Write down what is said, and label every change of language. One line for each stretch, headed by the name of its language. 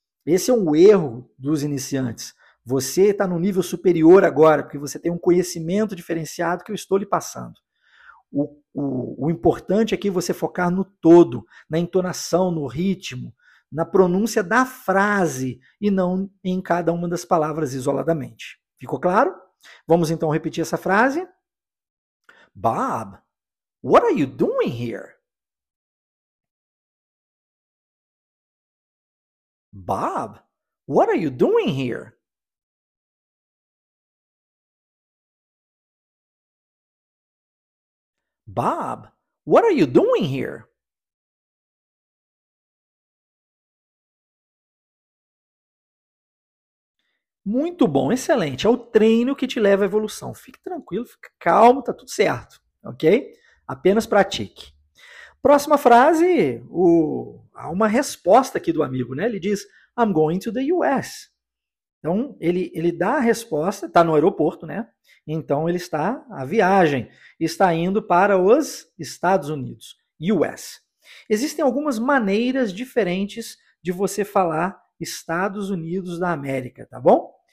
Portuguese: Esse é um erro dos iniciantes. Você está no nível superior agora, porque você tem um conhecimento diferenciado que eu estou lhe passando. O importante aqui é você focar no todo, na entonação, no ritmo, na pronúncia da frase e não em cada uma das palavras isoladamente. Ficou claro? Vamos então repetir essa frase.
English: Bob, what are you doing here? Bob, what are you doing here? Bob, what are you doing here?
Portuguese: Muito bom, excelente. É o treino que te leva à evolução. Fique tranquilo, fique calmo, tá tudo certo, ok? Apenas pratique. Próxima frase, há uma resposta aqui do amigo, né? Ele diz,
English: I'm going to the US.
Portuguese: Então, ele dá a resposta, está no aeroporto, né? Então, ele está, a viagem, está indo para os Estados Unidos, US. Existem algumas maneiras diferentes de você falar Estados Unidos da América, tá bom?